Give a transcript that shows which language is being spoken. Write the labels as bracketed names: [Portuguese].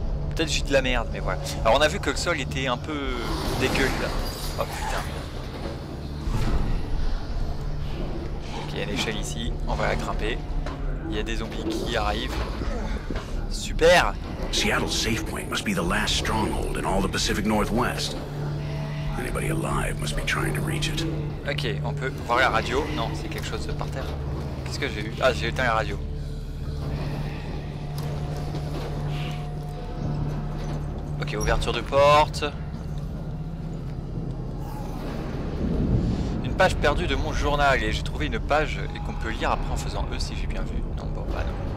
[French] Peut-être que j'ai de la merde, mais voilà. Alors on a vu que le sol était un peu dégueu là. Oh putain. Ok, il y a une échelle ici. On va la grimper. Il y a des zombies qui arrivent. Super! [English] Seattle's safe point must be the last stronghold in all the Pacific Northwest. Anybody alive must be trying to reach it. [French] Ok, on peut voir la radio. Non, c'est quelque chose par terre. Qu'est-ce que j'ai eu? Ah, j'ai éteint la radio. Ok, ouverture de porte. Une page perdue de mon journal. Et j'ai trouvé une page et qu'on peut lire après en faisant E si j'ai bien vu. Non, bon, bah non.